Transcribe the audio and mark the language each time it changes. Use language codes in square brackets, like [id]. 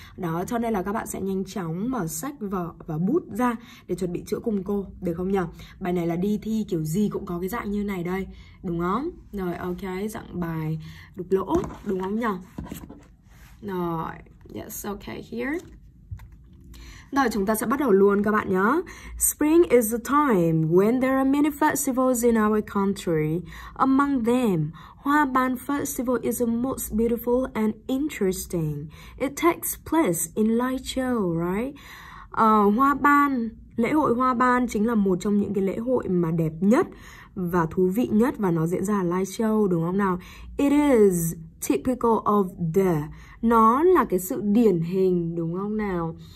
[vi] Đó, cho nên là các bạn sẽ nhanh chóng mở sách và bút ra để chuẩn bị chữa cùng cô, được không nhỉ? Bài này là đi thi kiểu gì cũng có cái dạng như này đây, đúng không? Rồi, ok, dạng bài đục lỗ, đúng không nhỉ? Rồi, [en] yes, ok, here. [vi] Rồi, chúng ta sẽ bắt đầu luôn các bạn nhé. [en] Spring is the time when there are many festivals in our country. Among them, Hoa Ban Festival is the most beautiful and interesting. It takes place in Lai Châu, right? [vi] Hoa Ban, lễ hội Hoa Ban chính là một trong những cái lễ hội mà đẹp nhất và thú vị nhất, và nó diễn ra ở Lai Châu, đúng không nào? [en] It is typical of the. [vi] Nó là cái sự điển hình, đúng không nào?